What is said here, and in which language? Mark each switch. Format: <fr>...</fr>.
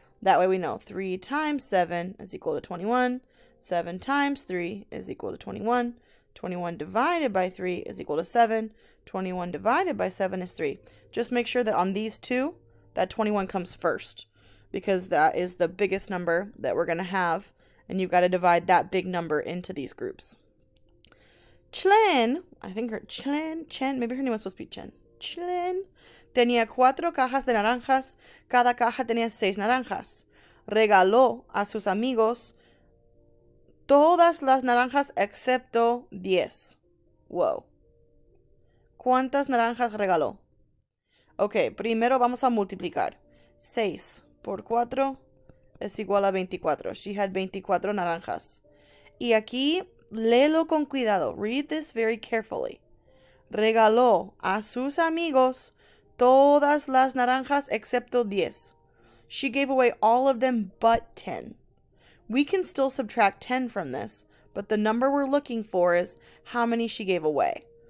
<en>That way we know 3 times 7 is equal to 21, 7 times 3 is equal to 21, 21 divided by 3 is equal to 7, 21 divided by 7 is 3. Just make sure that on these two, that 21 comes first, because that is the biggest number that we're going to have, and you've got to divide that big number into these groups.</en> <es>Chen tenía cuatro cajas de naranjas, cada caja tenía seis naranjas. Regaló a sus amigos todas las naranjas excepto 10. Wow. ¿Cuántas naranjas regaló? Okay, primero vamos a multiplicar. 6 por 4 es igual a 24.</es> <en>She had 24</en> <es>naranjas. Y aquí, léelo con cuidado.</es> <en>Read this very carefully.</en> <es>Regaló a sus amigos todas las naranjas excepto 10.</es> <en>She gave away all of them but 10. We can still subtract 10 from this, but the number we're looking for is how many she gave away.</en>